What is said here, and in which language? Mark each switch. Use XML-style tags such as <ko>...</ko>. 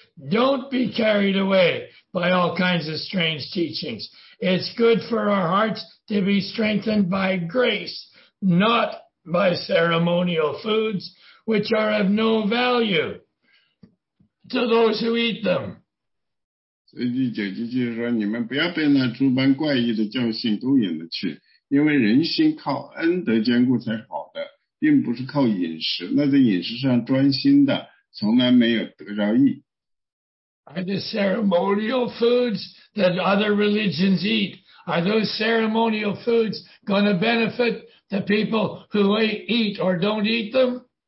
<en>Don't be carried away by all kinds of strange teachings. It's good for our hearts to be strengthened by grace, not by ceremonial foods, which are of no value to those who eat them.</en> <zh>所以第九节就是说，你们不要被那诸般怪异的教训勾引了去，因为人心靠恩得坚固才好的，并不是靠饮食，那在饮食上专心的，从来没有得着益。</zh> <en>Are the ceremonial foods that other religions eat, are those ceremonial foods going to benefit the people who eat or don't eat them?</en>